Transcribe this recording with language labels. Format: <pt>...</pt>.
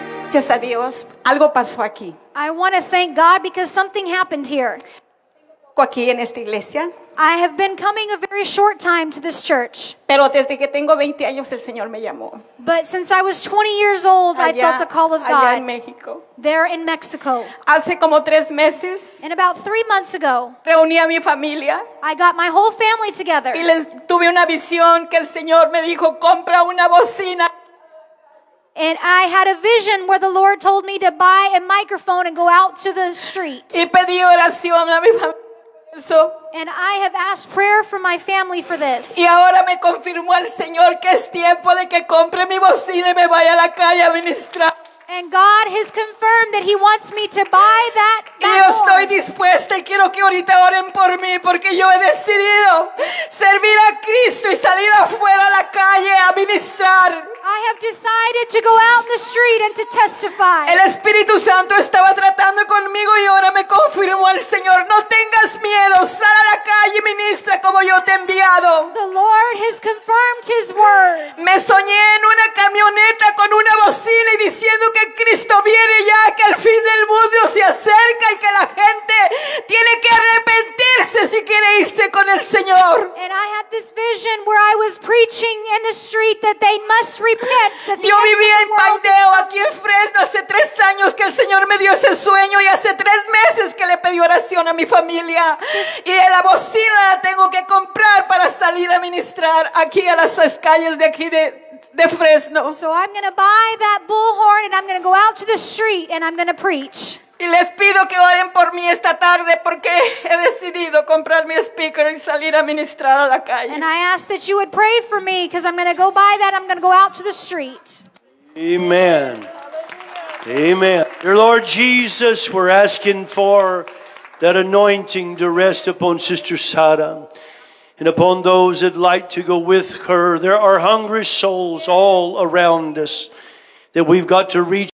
<es>Gracias a Dios, algo pasó aquí.</es> <en>I want to thank God because something happened here.</en> <es>Aquí en esta iglesia.</es> <en>I have been coming a very short time to this church.</en> <es>Pero desde que tengo 20 años el Señor me llamó.</es> <en>But since I was 20 years old,</en> <es>allá,</es> <en>I felt a call of God.</en> <es>Allá en México.</es> <en>There in Mexico.</en> <es>Hace como 3 meses.</es> <en>And about 3 months ago.</en> <es>Reuní a mi familia.</es> <en>I got my whole family together.</en> <es>Y les tuve una visión que el Señor me dijo, compra una bocina.</es> <en>And I had a vision where the Lord told me to buy a microphone and go out to the street.</en> <es>Y pedí oración a mi familia.</es> <en>So, and I have asked prayer for my family for this.</en> <es>Y ahora me confirmó el Señor que es tiempo de que compre mi bocina y me vaya a la calle a ministrar.</es> <en>And God has confirmed that He wants me to buy that.</en> <es>Y yo estoy dispuesta y quiero que ahorita oren por mí porque yo he decidido servir a Cristo y salir afuera a la calle a ministrar.</es> <en>I have decided to go out in the street and to testify.</en> <es>El Espíritu Santo estaba tratando conmigo y ahora me confirmó el Señor. No tengas miedo, sal a la calle y ministra como yo te he enviado.</es> <en>The Lord has confirmed His word.</en> <es>Me soñé en una camioneta con una bocina y diciendo que Cristo viene ya, que el fin del mundo se acerca y que la gente tiene que arrepentirse si quiere irse con el Señor.</es> <en>And I had this vision where I was preaching in the street that they must repent, that</en> <es>yo vivía en Paideo aquí en Fresno hace 3 años que el Señor me dio ese sueño y hace 3 meses que le pedí oración a mi familia y la bocina la tengo que comprar para salir a ministrar aquí a las calles de aquí de Fresno.</es> <en>So I'm going to buy that bullhorn and I'm going to go out to the street and I'm going to preach.</en> <es>Y les pido que oren por mí esta tarde porque he decidido comprar mi speaker y salir a ministrar a la calle.</es> <en>And I ask that you would pray for me because I'm going to go buy that. I'm going to go out to the street. Amen. Amen. Dear Lord Jesus, we're asking for that anointing to rest upon Sister Sara and upon those that like to go with her. There are hungry souls all around us that we've got to reach.</en>